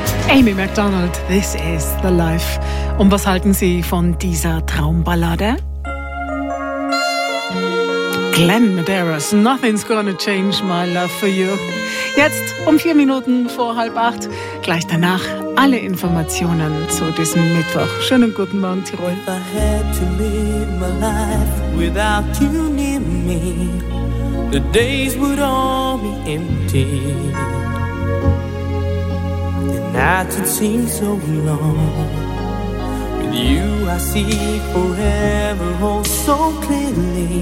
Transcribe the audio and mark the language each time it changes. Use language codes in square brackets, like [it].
[en] Amy MacDonald, this is the life. [de] Und was halten Sie von dieser Traumballade? [en] Glenn Medeiros, Nothing's Gonna Change My Love For You. [de] Jetzt um 7:58. Gleich danach alle Informationen zu diesem Mittwoch. Schönen guten Morgen, Tirol. [en] If I had to live my life without you near me, the days would all be empty. Nights would seem so long. With you I see forever hold so clearly.